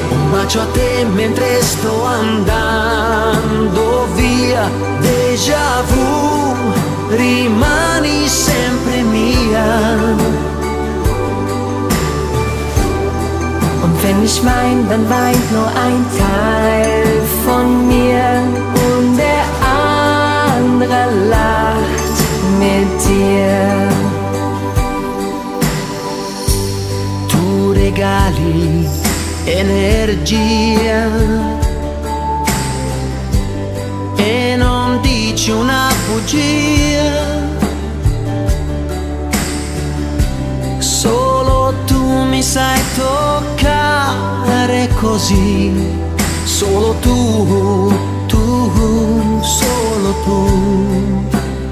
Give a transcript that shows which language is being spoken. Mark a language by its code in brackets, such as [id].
[it] Faccio a te mentre sto andando via, déjà vu, rimani sempre mia. [de] Und wenn ich wein, dann weint nur ein Teil von mir und der andere lacht mit dir. [it] Tu regali energia e non dici una bugia, solo tu mi sai toccare così, solo tu, tu, solo tu.